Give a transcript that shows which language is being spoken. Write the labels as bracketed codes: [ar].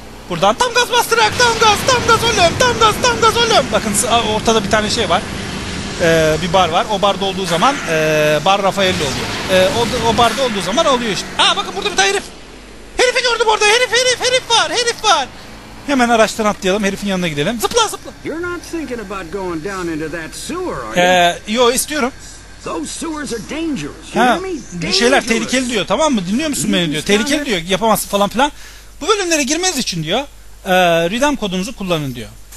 [tr] Buradan tam gaz bastırarak. Tam gaz. Tam gaz oğlum. Tam gaz. Tam gaz oğlum. Bakın ortada bir tane şey var. Bir bar var. O bar dolduğu zaman bar Rafael'le oluyor. O bar dolduğu zaman oluyor işte. Aa, bakın burada bir tane herif. Herifi gördüm orada. Herif, herif, herif var. Herif var. Hemen araçtan atlayalım. Herifin yanına gidelim. Zıpla, zıpla. [en] You're not thinking about going down into that sewer, are you? [tr] Yo, istiyorum. [en] Those sewers are dangerous. [tr] Ha, bu şeyler tehlikeli diyor. Tamam mı? Dinliyor musun beni diyor. Tehlikeli diyor. Yapamazsın falan filan. Bu bölümlere girmeniz için diyor. Redeem kodunuzu kullanın diyor.